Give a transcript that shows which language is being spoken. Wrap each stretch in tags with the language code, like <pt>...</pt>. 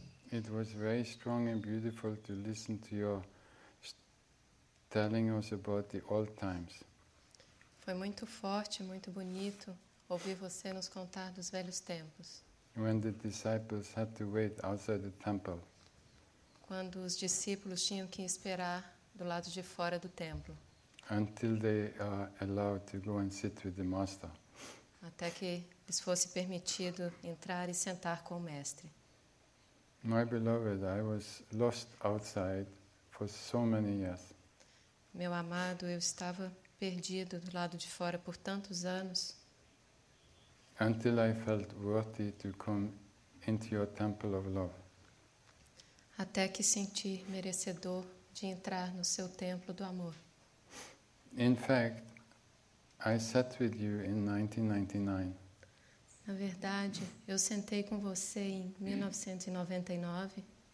<en>It was very strong and beautiful to listen to your telling us about the old times.</en> <pt>Foi muito forte, muito bonito ouvir você nos contar dos velhos tempos.</pt> <en>When the disciples had to wait outside the temple.</en> <pt>Quando os discípulos tinham que esperar do lado de fora do templo.</pt> <en>Until they are allowed to go and sit with the master.</en> <pt>Até que lhes fosse permitido entrar e sentar com o mestre.</pt> <en>My beloved, I was lost outside for so many years.</en> <pt>Meu amado, eu estava perdido do lado de fora por tantos anos.</pt> <en>Until I felt worthy to come into your temple of love.</en> <pt>Até que senti merecedor de entrar no seu templo do amor.</pt> <en>In fact, I sat with you in 1999.</en> <pt>Na verdade, eu sentei com você em 1999.</pt>